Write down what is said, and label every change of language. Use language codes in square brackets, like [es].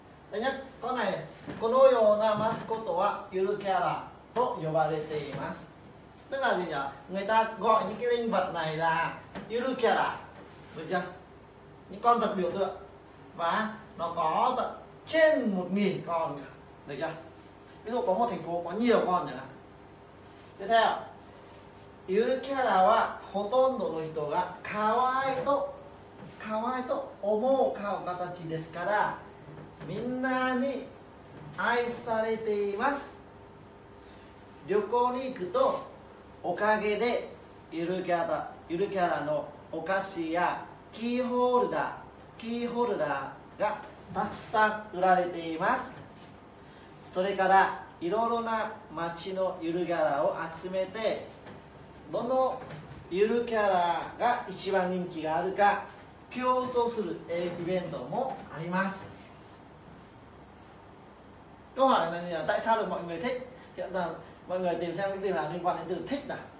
[vi] Đây nhá, con này [ja] このようなマスコットはゆるキャラと呼ばれています。 [vi] tức là gì nhỉ? Người ta gọi những cái linh vật này là ゆるキャラ, được chưa? Những con vật biểu tượng và nó có trên 1000 con nhỉ, được chưa? Ví dụ có một thành phố có nhiều con nhỉ. Tiếp theo, [ja] ゆるキャラはほとんどの人が可愛いと思う顔形ですから、みんなに愛されています。旅行に行くとおかげでゆるキャラのお菓子やキーホルダーがたくさん売られています。それからいろいろな町のゆるキャラを集めてどのゆるキャラが一番人気があるか競争するイベントもあります。 [vi] câu hỏi là gì? Tại sao được mọi người thích? Thì là mọi người tìm xem cái từ nào liên quan đến từ thích nào.